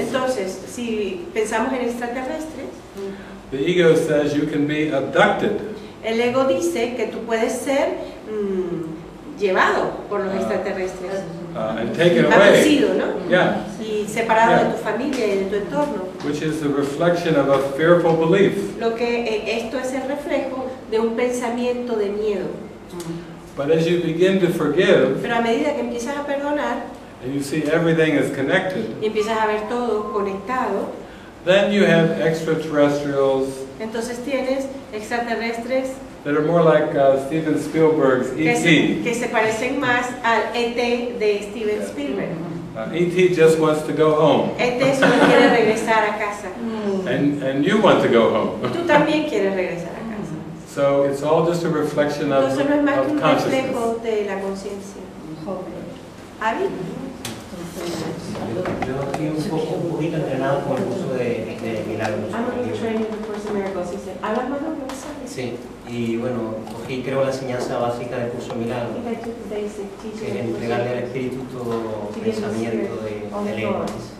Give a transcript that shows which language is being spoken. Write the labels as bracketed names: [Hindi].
[Spanish] Entonces, si pensamos en extraterrestres. [English] The ego says you can be abducted. [Spanish] El ego dice que tú puedes ser llevado por los extraterrestres. [English] And taken away. [Spanish] Abducido, ¿no? [English] Yeah. [Spanish] Y separado de tu familia y de tu entorno. [English] Which is the reflection of a fearful belief. [Spanish] Lo que esto es el reflejo de un pensamiento de miedo. [English] But as you begin to forgive. [Spanish] Pero a medida que empiezas a perdonar. [English] And you see everything is connected. [Spanish] Y empiezas a ver todo conectado. [English] Then you have extraterrestrials. [Spanish] Entonces tienes extraterrestres. [English] That are more like Steven Spielberg's E.T. [Spanish] Que se parecen más al E.T. de Steven Spielberg. [English] E.T. just wants to go home. [Spanish] E.T. solo quiere regresar a casa. [English] And you want to go home. [Spanish] Tú también quieres regresar a casa. [English] So it's all just a reflection of consciousness. [Spanish] Entonces no es más que un reflejo de la conciencia. ¿Avi? Yo estoy un poquito entrenado con el curso de milagros. [English] I'm training the course of miracles. [Spanish] Sí, y bueno, cogí creo la enseñanza básica del curso de milagros, que es entregarle al espíritu todo pensamiento de lenguas.